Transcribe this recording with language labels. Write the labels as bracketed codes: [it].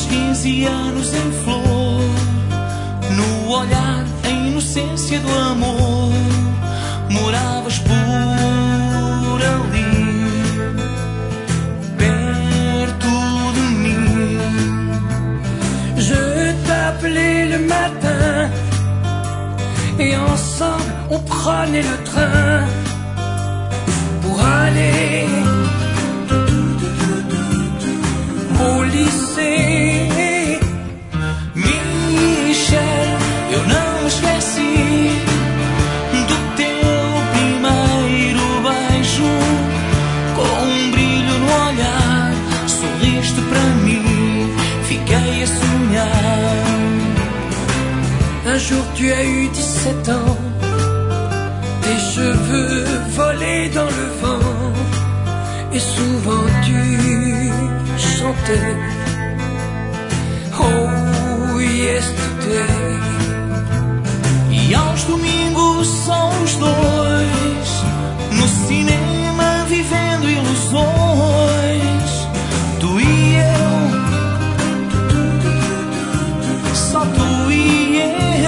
[pt] ancianos em flor, no olhar a inocência do amor, moravas por ali, perto de mim. [fr] Je t'appelais le matin, et ensemble on prenait le train pour aller au lycée. [pt] Michel, eu não me esqueci do teu primeiro beijo. Com um brilho no olhar, sorriste para mim, fiquei a sonhar. [fr] Un jour tu as eu 17 ans, tes cheveux volaient dans le vent, et souvent tu chantais, oh yesterday. [pt] E aos domingos só os dois, no cinema vivendo ilusões, tu e eu, só tu e eu.